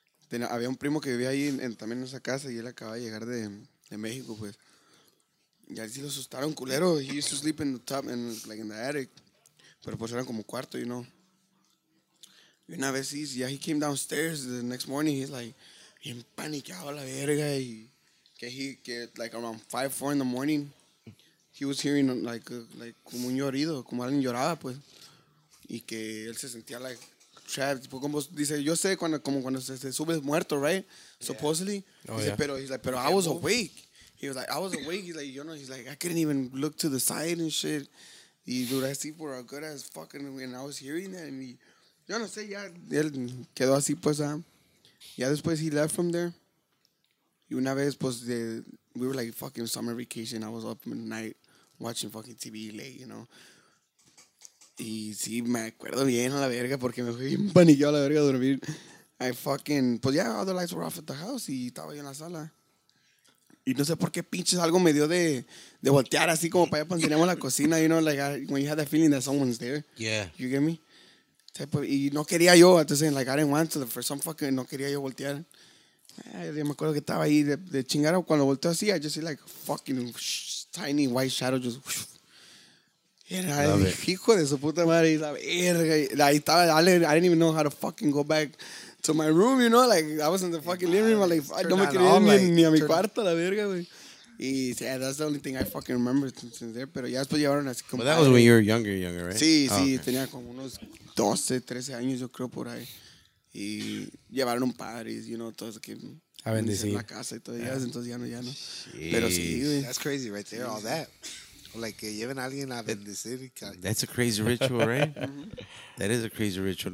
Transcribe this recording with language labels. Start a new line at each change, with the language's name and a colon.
Spanish: Había un primo que vivía ahí también en esa casa y él acaba de llegar de México, pues. Y así lo asustaron, culero.
English: He used to sleep in the top, like in the attic.
Spanish: Pero pues eran como cuarto,
English: you know.
Spanish: Y una vez,
English: he came downstairs the next morning. He's like,
Spanish: bien paniqueado la verga. Y que
English: like around 5-4 in the morning, he was hearing like
Spanish: como un llorido, como alguien lloraba, pues. Y que él se sentía like... trapped, como dice, yo sé cuando, como cuando se sube muerto, right?
English: Yeah. Supposedly. Oh, he said, yeah. Pero, he's like, pero I was awake. He was like, I was awake. He's like, you know, he's like, I couldn't even look to the side and shit. Y dude, I see for a good ass fucking, and I was hearing that. And he,
Spanish: yo no sé, ya, él quedó así, pues, ya después he left from there. Y una vez, pues,
English: we were like fucking summer vacation. I was up at night watching fucking TV late, you know.
Spanish: Y sí, me acuerdo bien a la verga porque me fui paniqueado a la verga a dormir.
English: I fucking...
Spanish: Pues ya,
English: all the lights were off at the house
Spanish: y estaba yo en la sala. Y no sé por qué pinches algo me dio de voltear así como para allá cuando teníamos la cocina.
English: You know, like, when you have that feeling that someone's there. Yeah. You get me? Type of,
Spanish: y no quería yo.
English: Entonces, like, I didn't want to. For some fucking...
Spanish: No quería yo voltear. Yo me acuerdo que estaba ahí de chingar. Cuando volteó así,
English: I just see, like, fucking tiny white shadow just...
Spanish: Hijo de su puta madre, la verga. Ahí estaba,
English: I didn't even know how to fucking go back to my room, you know? Like, I was in the fucking living room.
Spanish: Like, no me quería ni a mi cuarto, la verga, güey.
English: Y, yeah, that's the only thing I fucking remember since there.
Spanish: Pero ya después llevaron así como...
English: But that was when you were younger, right?
Spanish: Sí, oh, sí. Okay. Tenía como unos 12, 13 años, yo creo, por ahí. Y llevaron un padre,
English: you know,
Spanish: todo eso que... A bendecir. En la casa y todo. Yeah. Y entonces ya no. Jeez. Pero sí, güey.
English: That's crazy right there, all that. Like,
Spanish: que lleven a alguien a bendecir.
English: That's a crazy ritual, right? That is a crazy ritual.